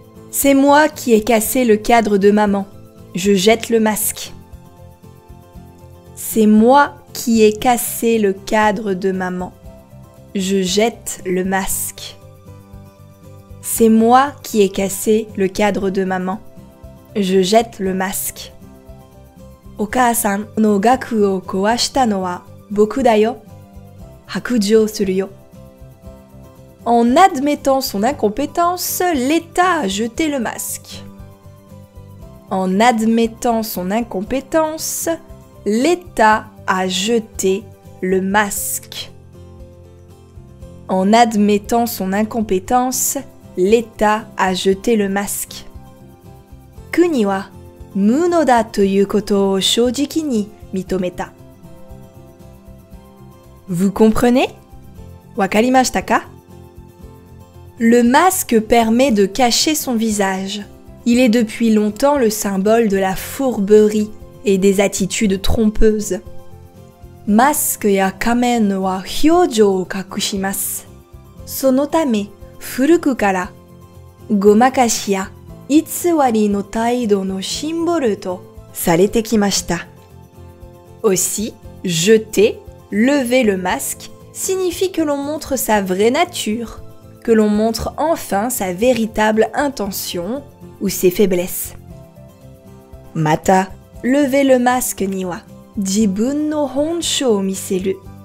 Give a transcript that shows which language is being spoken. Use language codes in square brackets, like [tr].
[fr] C'est moi qui ai cassé le cadre de maman. Je jette le masque. C'est moi qui ai cassé le cadre de maman. Je jette le masque. C'est moi qui ai cassé le cadre de maman. Je jette le masque. [ja] お母さんの額を壊したのは僕だよ。白状するよ。 [fr] En admettant son incompétence, l'État a jeté le masque. En admettant son incompétence, l'État a jeté le masque. En admettant son incompétence, l'État a jeté le masque. [ja] 国は無能だということを正直に認めた。 [fr] Vous comprenez? [ja] わかりましたか? [fr] Le masque permet de cacher son visage. Il est depuis longtemps le symbole de la fourberie et des attitudes trompeuses. [ja] マスクや仮面は表情を隠します。そのため、古くから、ごまかしや偽りの態度のシンボルとされてきました。 [fr] Aussi, jeter, lever le masque signifie que l'on montre sa vraie nature, que l'on montre enfin sa véritable intention ou ses faiblesses. [ja] Mata, [fr] lever le masque [ja] niwa, jibun no honshō o miseru.